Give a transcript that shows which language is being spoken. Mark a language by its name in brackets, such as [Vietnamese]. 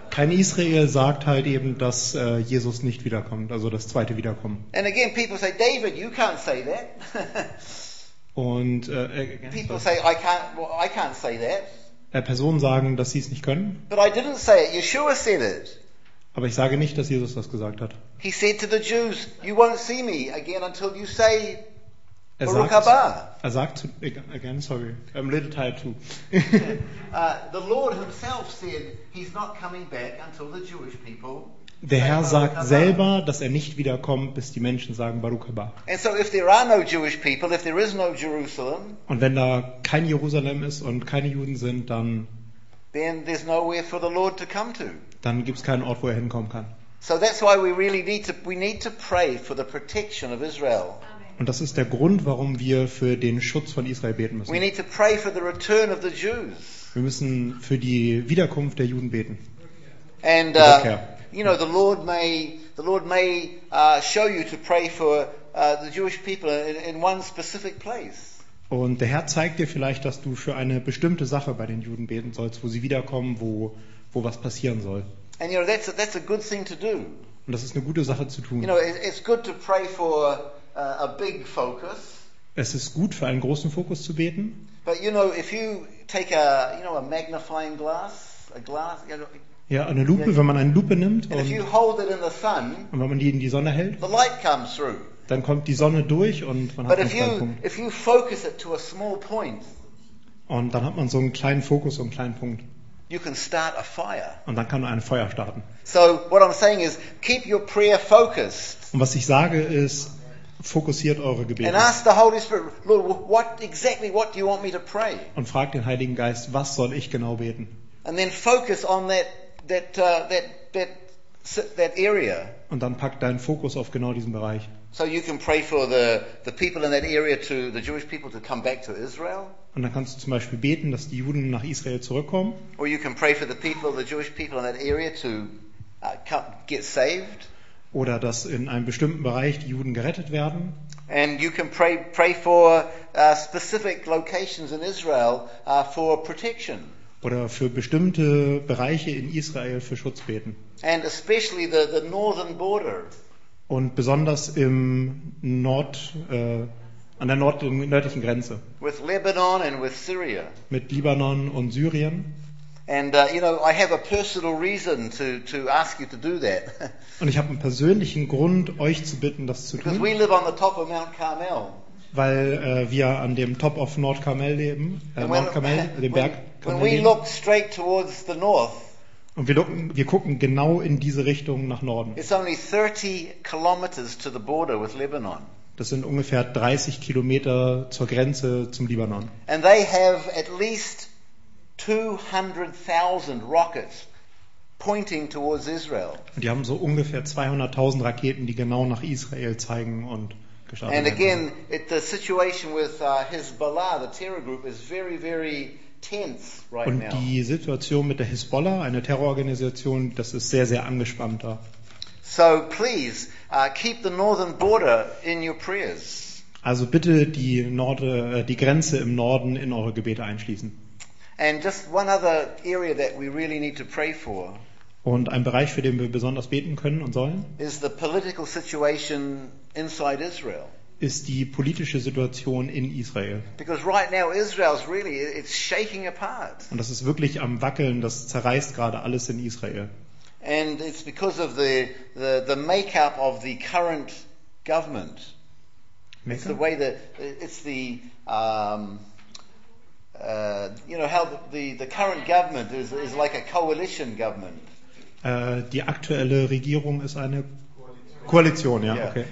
[German] Kein Israel sagt halt eben, dass Jesus nicht wiederkommt, also das zweite Wiederkommen. [English] And again, people say, David, you can't say that. [German] Und [English] people say, I can't say that. [German] Personen sagen, dass sie es nicht können. [English] But I didn't say it. Yeshua said it. [German] Aber ich sage nicht, dass Jesus das gesagt hat. [English] He said to the Jews, you won't see me again until you say Baruch Haba. [German] Er sagt, [English] again, sorry, I'm a little tired too. The Lord himself said he's not coming back until the Jewish people. [German] Der Herr sagt selber, dass er nicht wiederkommt, bis die Menschen sagen Baruch Haba. [English] And so if there are no Jewish people, if there is no Jerusalem, [German] und wenn da kein Jerusalem ist und keine Juden sind, dann [English] then there's nowhere for the Lord to come to. [German] Dann gibt's keinen Ort, wo er hinkommen kann. [English] So that's why we really need to pray for the protection of Israel. [German] Und das ist der Grund, warum wir für den Schutz von Israel beten müssen. [English] We need to pray for the return of the Jews. [German] Wir müssen für die Wiederkunft der Juden beten. [English] And you know, the Lord may show you to pray for the Jewish people in one specific place. [German] Und der Herr zeigt dir vielleicht, dass du für eine bestimmte Sache bei den Juden beten sollst, wo sie wiederkommen, wo was passieren soll. [English] And you know, that's a good thing to do. [German] Und das ist eine gute Sache zu tun. [English] You know, it's good to pray for a big focus. [German] Es ist gut, für einen großen Fokus zu beten. [English] But you know, if you take a, you know, a magnifying glass, a glass, you know, [German] ja, eine Lupe, yeah, wenn man eine Lupe nimmt und wenn man die in die Sonne hält, [English] the light comes through. [German] Dann kommt die Sonne durch und man [English] but [German] hat einen Standpunkt. [English] If you focus it to a small point, [German] und dann hat man so einen kleinen Fokus und einen kleinen Punkt. [English] You can start a fire. [German] Und dann kann man ein Feuer starten. [English] So what I'm saying is, keep your prayer focused. [German] Und was ich sage ist, fokussiert eure Gebete. [English] And ask the Holy Spirit, Lord, what do you want me to pray? [German] Und fragt den Heiligen Geist, was soll ich genau beten? [English] And then focus on that area. [German] Und dann packt deinen Fokus auf genau diesen Bereich. [English] So you can pray for the people in that area to the Jewish people to come back to Israel. [German] Und dann kannst du zum Beispiel beten, dass die Juden nach Israel zurückkommen. [English] Or you can pray for the Jewish people in that area to get saved. [German] Oder dass in einem bestimmten Bereich die Juden gerettet werden. [English] And you can pray for specific locations in Israel for protection. [German] Oder für bestimmte Bereiche in Israel für Schutz beten. [English] And especially the northern border. [German] Und besonders im Nord, an der nördlichen Grenze. [English] With Lebanon and with Syria. [German] Mit Libanon und Syrien. [English] And you know, I have a personal reason to ask you to do that. [German] Und ich habe einen persönlichen Grund, euch zu bitten, das zu tun. [English] Because we live on the top of Mount Carmel. [German] Weil wir an dem [English] Top of Mount Carmel [German] leben, Mount Carmel, dem Berg Carmel. [English] When we look straight towards the north. [German] Und wir gucken genau in diese Richtung nach Norden. [English] It's only 30 kilometers to the border with Lebanon. [German] Das sind ungefähr 30 Kilometer zur Grenze zum Libanon. [English] And they have at least 200,000 rockets pointing towards Israel. [German] Und die haben so ungefähr 200,000 Raketen, die genau nach Israel zeigen und gestartet werden. [English] And again, the situation with Hezbollah, the terror group, is very, very tense right [German] und [English] now. [German] Und die Situation mit der Hezbollah, einer Terrororganisation, das ist sehr, sehr angespannt da. [English] So please keep the northern border in your prayers. [German] Also bitte die Grenze im Norden in eure Gebete einschließen. [English] And just one other area that we really need to pray for. [German] Und ein Bereich, für den wir besonders beten können und sollen, [English] is the political situation inside Israel. [German] Ist die politische Situation in Israel. [English] Because right now Israel's really it's shaking apart. [German] Und das ist wirklich am Wackeln, das zerreißt gerade alles in Israel. [English] And it's because of the makeup of the current government. Makeup? It's the way that it's the you know how the current government is like a coalition government. [German] Die aktuelle Regierung ist eine Koalition, ja. Okay.